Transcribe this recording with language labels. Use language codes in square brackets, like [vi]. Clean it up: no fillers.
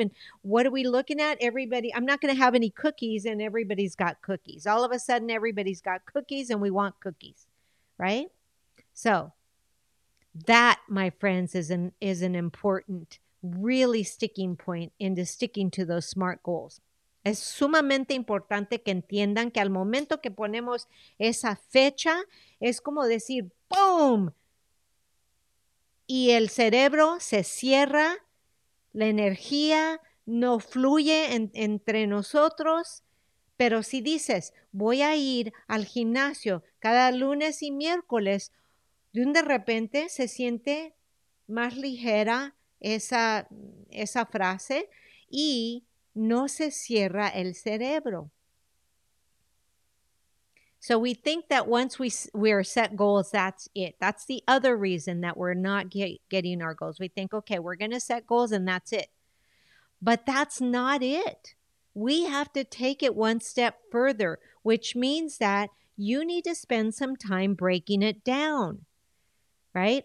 [en] And what are we looking at? Everybody, I'm not going to have any cookies, and everybody's got cookies. All of a sudden, everybody's got cookies and we want cookies. Right? So that, my friends, is an important, really sticking point into sticking to those SMART goals. [es] Es sumamente importante que entiendan que al momento que ponemos esa fecha, es como decir, ¡boom! Y el cerebro se cierra, la energía no fluye entre nosotros. Pero si dices, voy a ir al gimnasio cada lunes y miércoles, de repente se siente más ligera esa frase y no se cierra el cerebro. [en] So we think that once we are set goals, that's it. That's the other reason that we're not getting our goals. We think, okay, we're going to set goals and that's it. But that's not it. We have to take it one step further, which means that you need to spend some time breaking it down, right?